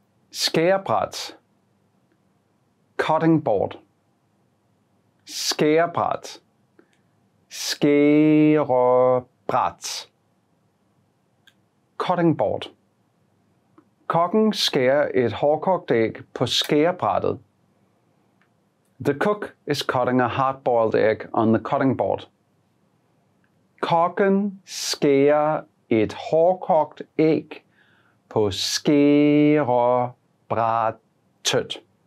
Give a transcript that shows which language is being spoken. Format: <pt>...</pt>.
<da>Skærebræt.</da> <en>Cutting board.</en> <da>Skærebræt. Skærebræt.</da> <en>Cutting board.</en> <da>Kokken skærer et hårdkogt æg på skærebrættet.</da> <en>The cook is cutting a hard-boiled egg on the cutting board.</en> <da>Kokken skærer et hårdkogt æg på skærebrættet.</da>